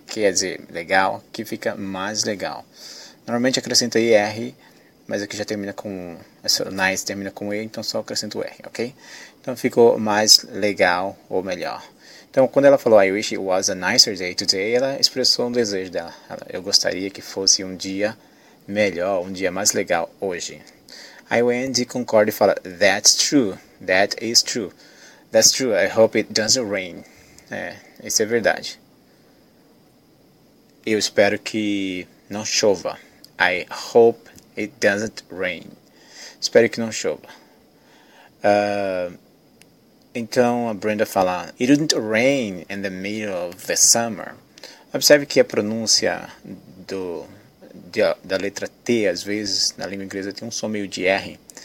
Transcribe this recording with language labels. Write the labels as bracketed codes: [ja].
[pt] Quer dizer, legal, que fica mais legal. Normalmente acrescenta IR, mas aqui já termina com... Nice termina com E, então só acrescenta o R, ok? Então ficou mais legal ou melhor. Então, quando ela falou, [en] I wish it was a nicer day today, [pt] ela expressou um desejo dela. Eu gostaria que fosse um dia melhor, um dia mais legal hoje. Aí o Andy concorda e fala, [en] that's true, that is true. That's true, I hope it doesn't rain. [pt] É, isso é verdade. Eu espero que não chova. [en] I hope it doesn't rain. [pt] Espero que não chova. Então, a Brenda fala, [en] it didn't rain in the middle of the summer. [pt] Observe que a pronúncia da letra T, às vezes, na língua inglesa, tem um som meio de R.